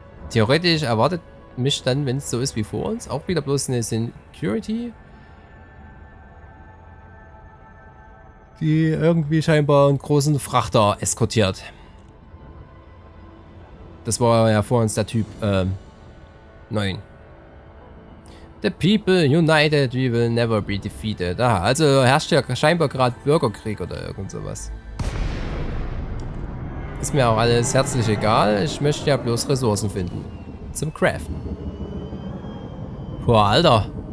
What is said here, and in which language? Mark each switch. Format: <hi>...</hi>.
<de>Theoretisch erwartet mich dann, wenn es so ist wie vor uns, auch wieder bloß eine Security. Die irgendwie scheinbar einen großen Frachter eskortiert. Das war ja vor uns der Typ 9.</de> <en>The people united, we will never be defeated.</en> <de>Aha, also herrscht ja scheinbar gerade Bürgerkrieg oder irgend sowas. Ist mir auch alles herzlich egal, ich möchte ja bloß Ressourcen finden. Zum Craften. Boah, Alter.</de>